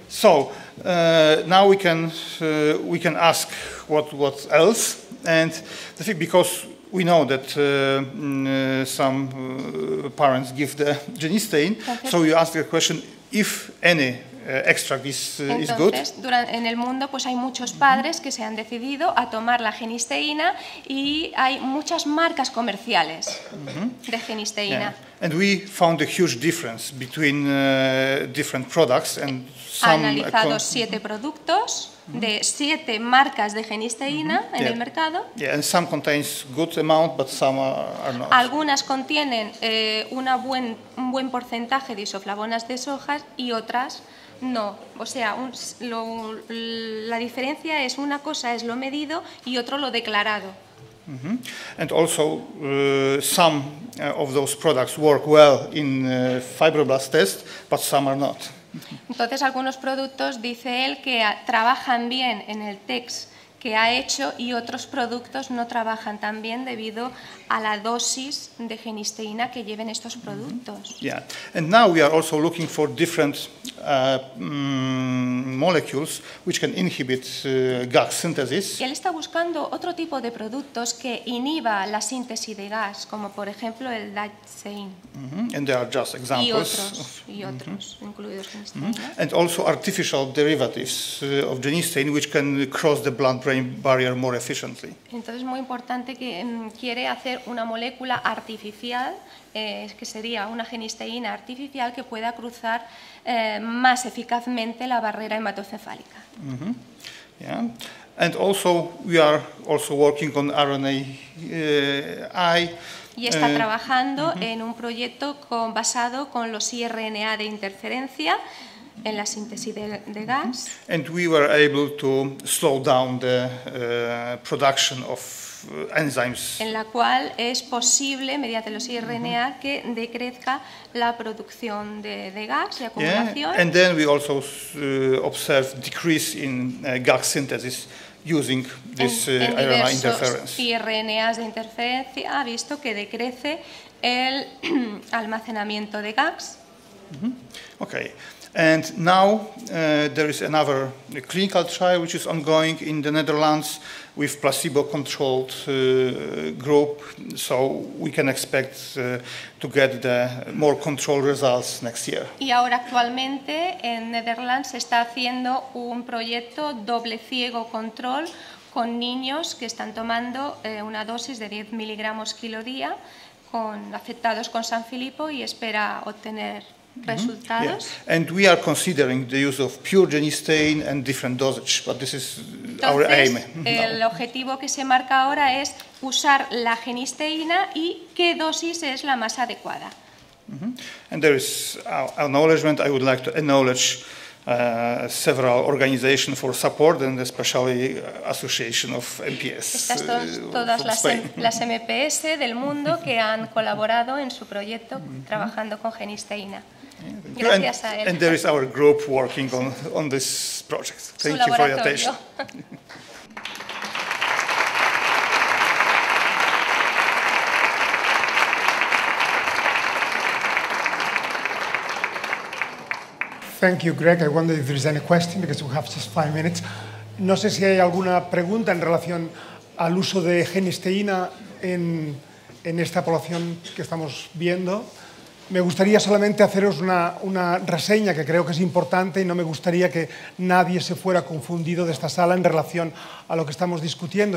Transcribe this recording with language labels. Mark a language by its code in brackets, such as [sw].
[en] So now we can ask what else, and the thing, because we know that some parents give the genistein. Perfect. So you ask the question: if any extract is, [es] entonces, [en] is good. [es] Durante, en el mundo pues hay muchos padres que se han decidido a tomar la genisteína y hay muchas marcas comerciales de genisteína. Yeah. [en] And we found a huge difference between different products and [es] analizado siete productos de siete marcas de genisteína en el mercado. [en] Yeah, and some contains good amount, but some are not. [es] Algunas contienen un buen porcentaje de isoflavonas de soja y otras no. O sea, la diferencia es una cosa es lo medido y otro lo declarado. [en] And also some of those products work well in fibroblast test, but some are not. [es] Entonces, algunos productos, dice él, que trabajan bien en el test que ha hecho y otros productos no trabajan tan bien debido a la dosis de genisteína que lleven estos productos. Yeah. [en] And now we are also looking for different molecules which can inhibit GAG synthesis. [es] Y él está buscando otro tipo de productos que inhiba la síntesis de GAG, como por ejemplo el Dachsein. [en] And there are just examples. [es] Y otros, incluidos genisteína. [en] And also artificial derivatives of genisteína which can cross the blood-brain barrier more efficiently. [es] Entonces, muy importante que quiere hacer una molécula artificial, que sería una genisteína artificial que pueda cruzar más eficazmente la barrera hematoencefálica. Mm-hmm. Yeah. [en] And also we are also working on RNA I. [es] Y está trabajando en un proyecto basado con los IRNA de interferencia en la síntesis de GAGs. [en] And we were able to slow down the production of enzymes. [es] En la cual es posible, mediante los IRNA, que decrezca la producción de GAGs, de acumulación. [en] Yeah. And then we also observe decrease in GAG synthesis using this RNA interference. [es] En diversos IRNAs de interferencia ha visto que decrece el almacenamiento de GAGs. Okay. [en] And now there is another clinical trial which is ongoing in the Netherlands with placebo-controlled group, so we can expect to get the more controlled results next year. [es] Y ahora actualmente en Netherlands se está haciendo un proyecto doble ciego control con niños que están tomando una dosis de 10 miligramos kilo día con afectados con San Filippo y espera obtener resultados. Yeah. [en] And we are considering the use of pure genisteína and different dosage, but this is [es] entonces, [en] our aim. [es] El objetivo que se marca ahora es usar la genisteína y qué dosis es la más adecuada. [en] And there is acknowledgement. I would like to acknowledge several organizations for support and especially Association of MPS. [es] Estas todas las MPS del mundo que han colaborado en su proyecto trabajando con genisteína. Gracias [en] and, [es] a él. [en] And there is our group working on this project. Thank you for your attention. Thank you, Greg. I wonder if there is any question because we have just 5 minutes. [es] No sé si hay alguna pregunta en relación al uso de genisteína en esta población que estamos viendo. Me gustaría solamente haceros una reseña que creo que es importante y no me gustaría que nadie se fuera confundido de esta sala en relación a lo que estamos discutiendo.